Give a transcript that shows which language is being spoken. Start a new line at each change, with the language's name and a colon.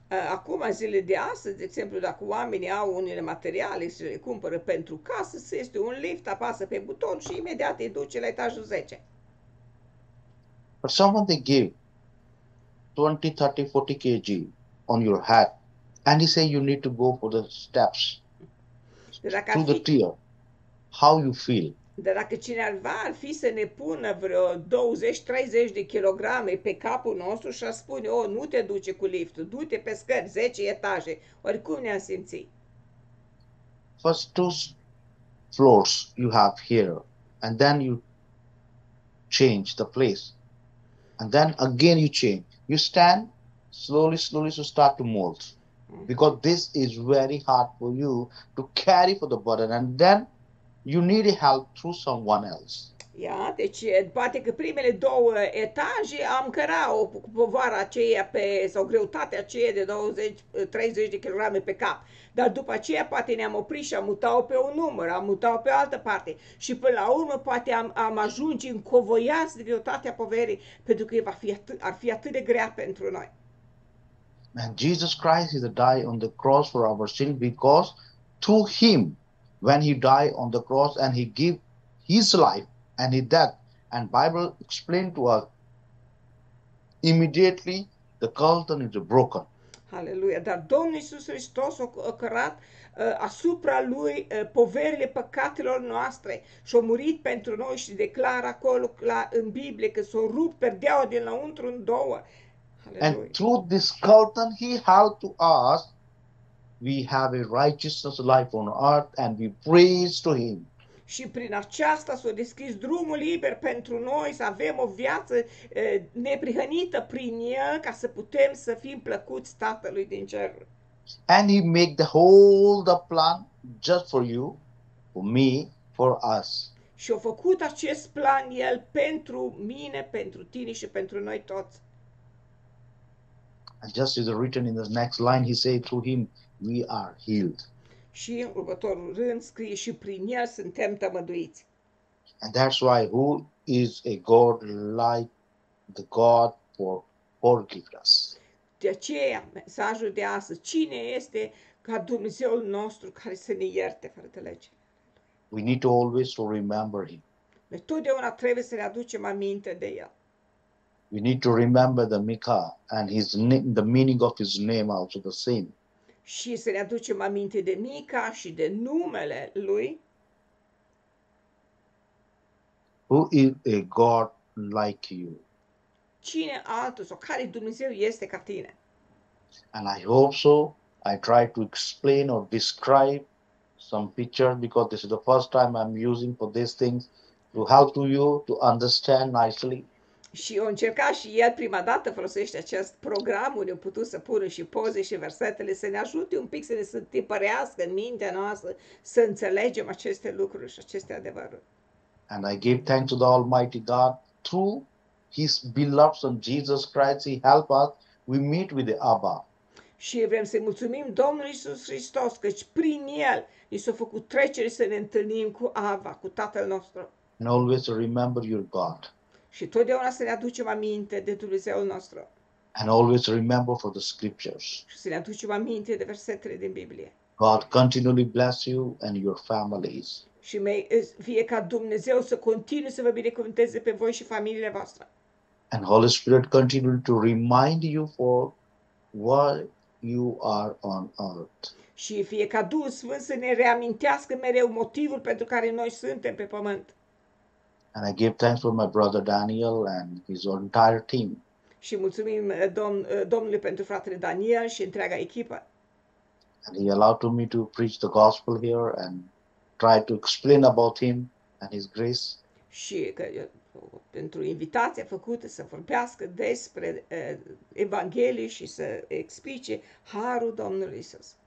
Romanian: Acum, în zilele de astăzi, de exemplu, dacă oamenii au unele materiale și le cumpără pentru casă, se este un lift, apasă pe buton și imediat îi duce la etajul 10.
English: But someone they give 20, 30, 40 kg on your head and he say you need to go for the steps through the tier. How you feel?
Romanian: Dar dacă cineva ar fi să ne pună vreo 20-30 de kilograme pe capul nostru și ar spune, oh, nu te duce cu liftul, du-te pe scări, 10 etaje, oricum ne-am simțit.
English: First two floors you have here, and then you change the place, and then again you change. You stand, slowly, slowly you start to mold, because this is very hard for you to carry for the burden, and then you need help through someone else.
Romanian: Ia, deci poate că primele două etaje am cărat-o cu povara aceea pe, sau greutatea aceea de 20-30 de kilograme pe cap. Dar după aceea poate ne-am oprit și am mutat-o pe un număr, am mutat-o pe o altă parte. Și până la urmă poate am ajunge încovoiați de greutatea poverii, pentru că ar fi atât de grea pentru noi.
English: And Jesus Christ is died on the cross for our sin because to him, when he died on the cross and he gave his life and his death, and Bible explained to us, immediately the curtain is broken. Hallelujah.
Romanian: Dar Domnul Iisus Hristos a cărat asupra lui poverile păcatelor noastre și a murit pentru noi și declară acolo în Biblie că s-a rupt perdeaua din lăuntru în două.
English: And through this curtain he held to us, we have a righteousness life on earth and we praise to him.
Romanian: Și prin aceasta s-a deschis drumul liber pentru noi să avem o viață neprihănită prin el ca să putem să fim plăcuți Tatălui din cer.
English: And he made the whole the plan just for you, for me, for us.
Romanian: Și a făcut acest plan el pentru mine, pentru tine și pentru noi toți.
English: And just as written in the next line, he said, through him, we are healed.
Romanian: Și în următorul rând scrie, și prin el suntem tămăduiți.
English: And that's why who is a God like the God for forgiveness?
Romanian: De aceea, mesajul de astăzi, cine este ca Dumnezeul nostru care să ne ierte, fratelege?
English: We need to always to remember him.
Romanian: Noi totdeauna trebuie să ne aducem aminte de el.
English: We need to remember the Mica and his name, the meaning of his name also the same.
Romanian: Și să ne aducem aminte de Mica și de numele lui.
English: Who is a God like you?
Romanian: Cine altul sau care Dumnezeu este ca tine?
English: And I hope so. I try to explain or describe some picture because this is the first time I'm using for these things to help you to understand nicely.
Romanian: Și a încercat și el prima dată folosește acest program unde a putut să pună și poze și versetele să ne ajute un pic să ne tipărească în mintea noastră să înțelegem aceste lucruri și aceste adevăruri.
English: And I give thanks to the Almighty God through his beloved son Jesus Christ, he help us, we meet with the Abba.
Romanian: Și vrem să-i mulțumim Domnului Iisus Hristos căci prin el ni s-a făcut trecere să ne întâlnim cu Abba, cu Tatăl nostru.
English: And always remember your God.
Romanian: Și totdeauna să ne aducem aminte de Dumnezeul nostru.
English: And always remember for the scriptures.
Romanian: Și să ne aducem aminte de versetele din Biblie.
English: God continually bless you and your families.
Romanian: Și fie ca Dumnezeu să continue să vă binecuvânteze pe voi și familiile voastre.
English: And Holy Spirit continually to remind you for why you are on earth.
Romanian: Și fie ca Duhul Sfânt să ne reamintească mereu motivul pentru care noi suntem pe pământ.
English: And I give thanks for my brother Daniel and his entire team.
Romanian: Și mulțumim Domnului pentru fratele Daniel și întreaga echipă.
English: And he allowed me to preach the gospel here and try to explain about him and his grace.
Romanian: Și că pentru invitația făcută să vorbească despre Evanghelie și să explice harul Domnului Iisus.